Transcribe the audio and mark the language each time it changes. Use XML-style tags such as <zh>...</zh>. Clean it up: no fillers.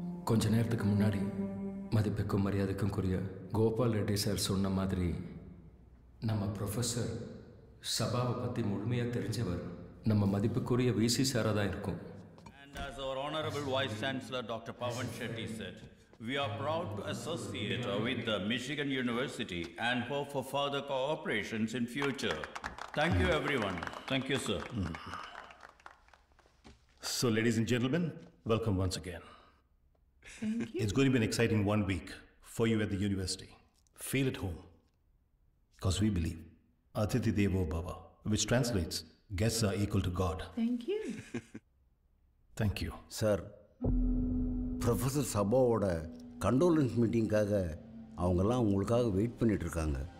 <ta>கொஞ்ச நேரத்துக்கு முன்னாடி மதிப்புக்கும் மரியாதைக்கும் குறிய கோபால் ரெட்டி சார் சொன்ன மாதிரி, நம்ம ப்ரொஃபஸர் சபாவை பற்றி முழுமையாக தெரிஞ்சவர் நம்ம மதிப்புக்குரிய விசி சாராக தான் இருக்கும்.</ta> <en>As our honorable vice chancellor Dr. Pavan Shetty said, we are proud to associate with the Michigan University and hope for further cooperations in future. Thank you everyone. Thank you sir. So ladies and gentlemen, welcome once again. Thank you. It's going to be an exciting 1 week for you at the university. Feel at home, because we believe Atithi Devo Bhava, which translates guests are equal to God. Thank you. Thank you.</en> <ta>Sir, professor சபாவோட condolences மீட்டிங்காக அவங்கெல்லாம் உங்களுக்காக wait பண்ணிட்டு இருக்காங்க.</ta>